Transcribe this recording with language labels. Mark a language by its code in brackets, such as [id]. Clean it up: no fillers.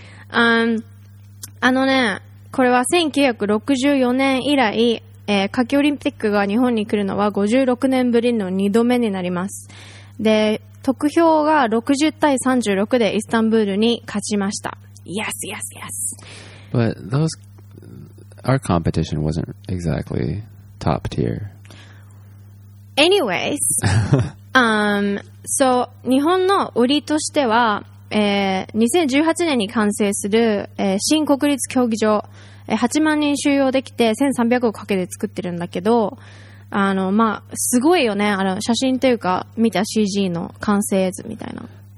[ja] あのね、これは1964年以来、夏季オリンピックが日本に来るのは56年ぶりの2度目になります。で、得票が60対36でイスタンブールに勝ちました。 [en] Yes, yes, yes. But those, our competition wasn't exactly top tier. Anyways, so [ja] 日本の売りとしては、2018年に完成する、新国立競技場、8万人収容できて1300をかけて作ってるんだけど、あのまあすごいよね、あの写真というか見た CG の完成図みたいな。